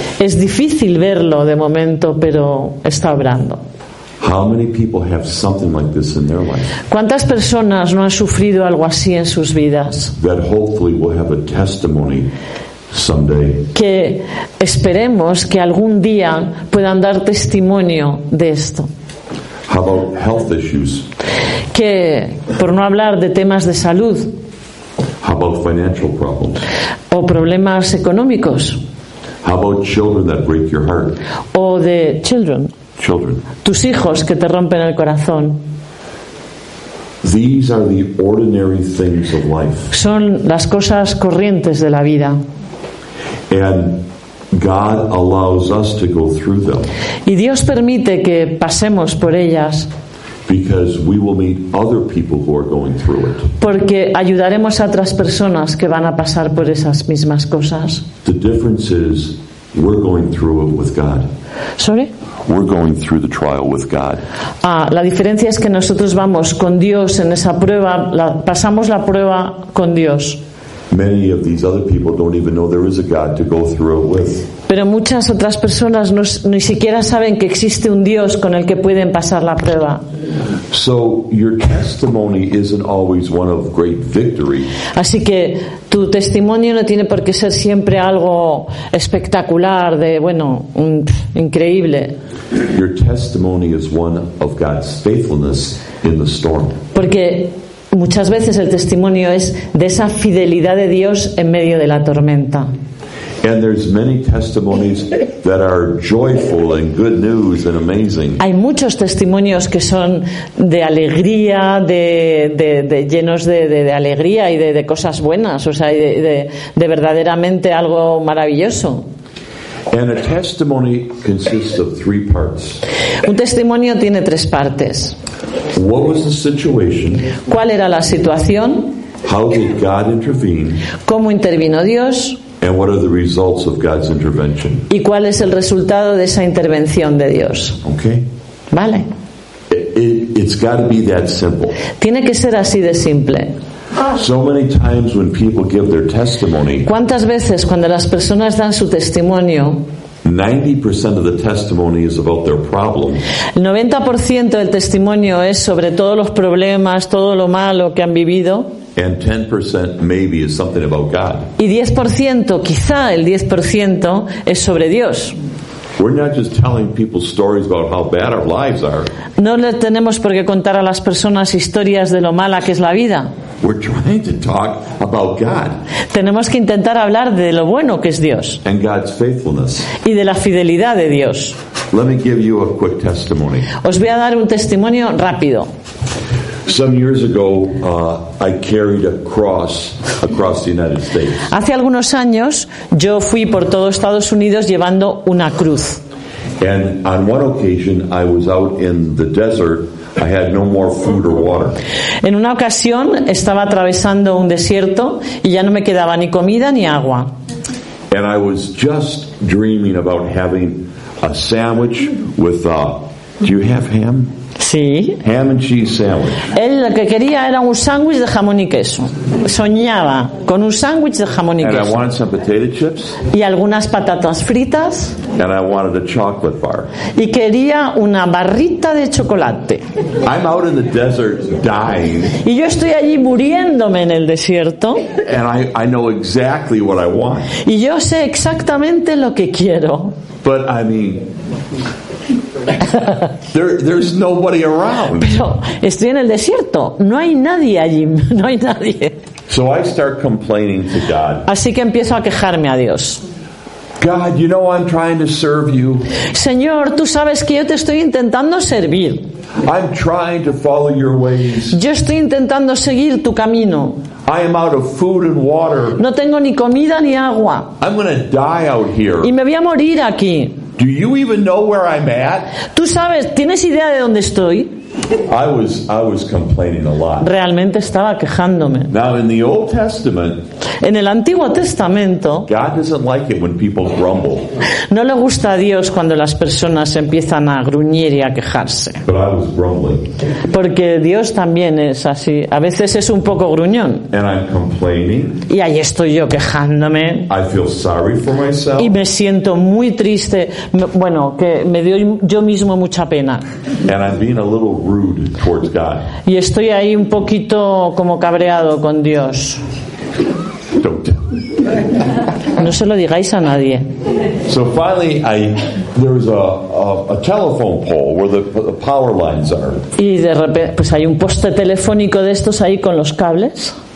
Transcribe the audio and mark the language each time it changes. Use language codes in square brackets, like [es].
[es] Es difícil verlo de momento, pero está obrando. [en] How many people have something like this in their life? [es] ¿Cuántas personas no han sufrido algo así en sus vidas? [en] That hopefully will have a testimony someday. [es] Que esperemos que algún día puedan dar testimonio de esto. [en] How about health issues? [es] Que, por no hablar de temas de salud. [en] How about financial problems? [es] O problemas económicos. [en] How about children that break your heart? [es] O de children. [en] Children. [es] Tus hijos que te rompen el corazón. [en] These are the ordinary things of life. [es] Son las cosas corrientes de la vida. [en] And God allows us to go through them. [es] Y Dios permite que pasemos por ellas. [en] Because we will meet other people who are going through it. [es] Porque ayudaremos a otras personas que van a pasar por esas mismas cosas. [en] The difference is we're going through it with God. Sorry? We're going through the trial with God. [es] Ah, la diferencia es que nosotros vamos con Dios en esa prueba, pasamos la prueba con Dios. [en] Many of these other people don't even know there is a God to go through it with. [es] Pero muchas otras personas ni siquiera saben que existe un Dios con el que pueden pasar la prueba. [en] So your testimony isn't always one of great victory. [es] Así que tu testimonio no tiene por qué ser siempre algo espectacular, increíble. [en] Your testimony is one of God's faithfulness in the storm. [es] Porque muchas veces el testimonio es de esa fidelidad de Dios en medio de la tormenta. [en] And there's many testimonies that are joyful and good news and amazing. [es] Hay muchos testimonios que son de alegría, de llenos de alegría y de cosas buenas, o sea, de verdaderamente algo maravilloso. [en] And a testimony consists of three parts. [es] Un testimonio tiene tres partes. [en] What was the situation? [es] ¿Cuál era la situación? [en] How did God intervene? [es] ¿Cómo intervino Dios? [en] And what are the results of God's intervention? [es] ¿Y cuál es el resultado de esa intervención de Dios? [en] Okay. [es] Vale. [en] It's got to be that simple. [es] Tiene que ser así de simple. [en] So many times when people give their testimony. [es] ¿Cuántas veces cuando las personas dan su testimonio? [en] 90% of the testimony is about their problem. [es] El 90% del testimonio es sobre todos los problemas, todo lo malo que han vivido. [en] And 10% maybe is something about God. [es] Y 10%, quizá el 10% es sobre Dios. [en] We're not just telling people stories about how bad our lives are. [es] No le tenemos por qué contar a las personas historias de lo mala que es la vida. [en] We're trying to talk about God. [es] Tenemos que intentar hablar de lo bueno que es Dios. [en] And God's faithfulness. [es] Y de la fidelidad de Dios. [en] Let me give you a quick testimony. [es] Os voy a dar un testimonio rápido. [en] Some years ago, I carried a cross across the United States. [es] Hace algunos años, yo fui por todo Estados Unidos llevando una cruz. [en] And on one occasion, I was out in the desert. I had no more food or water. [es] En una ocasión, estaba atravesando un desierto y ya no me quedaba ni comida ni agua. [en] And I was just dreaming about having a sandwich with a... Do you have ham? [es] Sí. [en] Ham and cheese sandwich. [es] Él lo que quería era un sándwich de jamón y queso. Soñaba con un sándwich de jamón y [en] and [es] queso. [en] I wanted some potato chips. [es] Y algunas patatas fritas. [en] And I wanted a chocolate bar. [es] Y quería una barrita de chocolate. [en] I'm out in the desert dying. [es] Y yo estoy allí muriéndome en el desierto. [en] And I know exactly what I want. [es] Y yo sé exactamente lo que quiero. [en] But I mean... There's nobody around. [es] Pero estoy en el desierto. No hay nadie allí. No hay nadie. [en] So I start complaining to God. [es] Así que empiezo a quejarme a Dios. [en] God, you know I'm trying to serve you. [es] Señor, tú sabes que yo te estoy intentando servir. [en] I'm trying to follow your ways. [es] Yo estoy intentando seguir tu camino. [en] I am out of food and water. [es] No tengo ni comida ni agua. [en] I'm going to die out here. [es] Y me voy a morir aquí. [en] Do you even know where I'm at? [es] ¿Tú sabes, tienes idea de dónde estoy? [en] I was complaining a lot. [es] Realmente estaba quejándome. [en] Now in the Old Testament, [es] en el Antiguo Testamento, [en] God doesn't like it when people grumble. [es] No le gusta a Dios cuando las personas empiezan a gruñir y a quejarse. [en] But I was grumbling. [es] Porque Dios también es así. A veces es un poco gruñón. [en] And I'm complaining. [es] Y ahí estoy yo quejándome. [en] I feel sorry for myself. [es] Y me siento muy triste. Bueno, que me dio yo mismo mucha pena. [en] And I'm being a little rude towards God. [es] Y estoy ahí un poquito como cabreado con Dios. No se lo digáis a nadie. [en] So finally, there was a telephone pole where the power lines are. [es] Y de repente, pues hay un poste telefónico de estos ahí con los cables.